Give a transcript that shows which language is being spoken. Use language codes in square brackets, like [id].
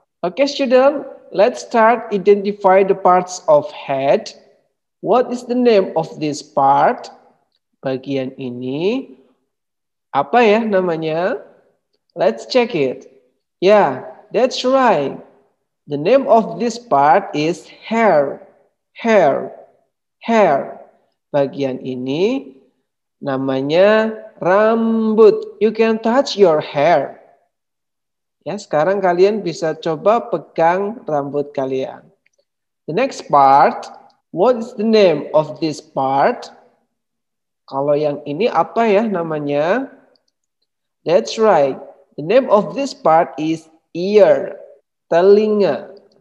[en] Okay, student, let's start identify the parts of head. What is the name of this part? [id] Bagian ini, apa ya namanya? [en] Let's check it. Yeah, that's right. The name of this part is hair. Hair. Hair. [id] Bagian ini namanya rambut. [en] You can touch your hair. [id] Ya, sekarang kalian bisa coba pegang rambut kalian. [en] The next part, what is the name of this part? [id] Kalau yang ini apa ya namanya? [en] That's right. The name of this part is ear, telinga.